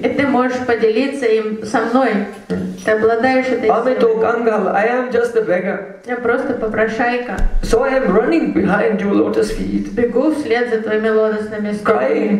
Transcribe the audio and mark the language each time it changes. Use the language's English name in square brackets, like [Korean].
[Russian] И ты можешь поделиться им со мной. Ты обладаешь этой силой. [Bangla] Amito Kangal, [English] I am just a beggar. [Russian] Я просто попрошайка. [English] So I am running behind your lotus feet. [Russian] Бегу вслед за твоими лотосными стопами.